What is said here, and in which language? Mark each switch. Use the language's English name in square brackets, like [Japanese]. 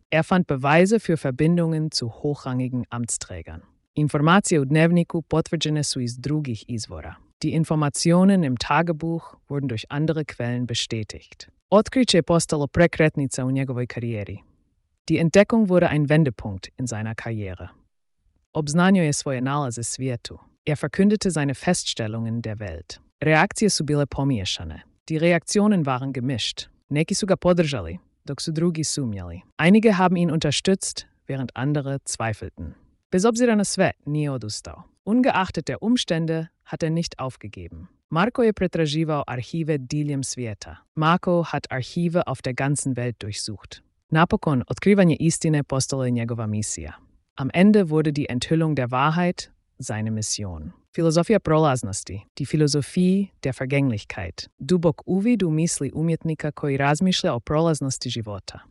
[German] Er fand Beweise für Verbindungen zu hochrangigen Amtsträgern. [Croatian] Informacije u dnevniku potvrđene su iz drugih izvora. [German] Die Informationen im Tagebuch wurden durch andere Quellen bestätigt. [Croatian] Otkriće je postalo prekretnica u njegovoj karijeri. [German] Die Entdeckung wurde ein Wendepunkt in seiner Karriere. [Croatian] Obznanio je svoje nalaze svijetu. [German] Er verkündete seine Feststellungen der Welt. [Croatian] Reakcije su bile pomiješane. [German] Die Reaktionen waren gemischt. [Croatian] Neki su ga podržali, dok su drugi sumnjali. [German] Einige haben ihn unterstützt, während andere zweifelten. [Croatian] Bez obzira na sve, nije odustao. [German] Ungeachtet der Umstände hat nicht aufgegeben. [Croatian] Marko je pretraživao archive diljem svijeta. [German] Marko hat archive auf der ganzen Welt durchsucht. [Croatian] Napokon, otkrivanje istine postalo je njegova misija. [German] Am Ende wurde die Enthüllung der Wahrheit seine Mission. [Croatian] Philosophia prolaznosti, [German] die Philosophie der Vergänglichkeit. [Croatian] Dubok uvid u misli umjetnika koji razmišlja o prolaznosti života.